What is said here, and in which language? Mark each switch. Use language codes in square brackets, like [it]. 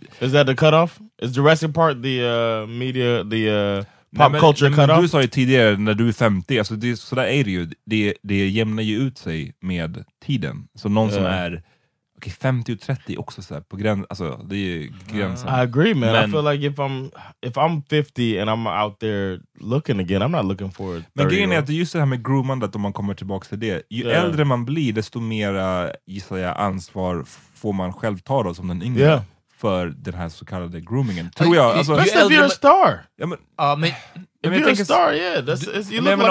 [en] Is that the cutoff? Is the rest of part the media... The, pop culture cut off. [sv] Du sa ju tidigare när du är 50, alltså det, så där är det ju, det jämnar ju ut sig med tiden. Så någon som är okay, 50 och 30 också så här på gräns, alltså det är ju gränsen. [en] I agree, man. Men, I feel like if I'm 50 and I'm out there looking again, I'm not looking for 30. [sv] Men grejen är att just det här med groomandet, om man kommer tillbaka till det, ju äldre man blir, desto mera, gissar jag, ansvar får man själv ta då som den yngre. [en] Yeah. [sv] För den här så kallade groomingen, tror jag. Alltså, [en] best if you're a star. [sv] Ja, men, [en] if you're a star, yeah. That's, you look, [sv] men [en] like,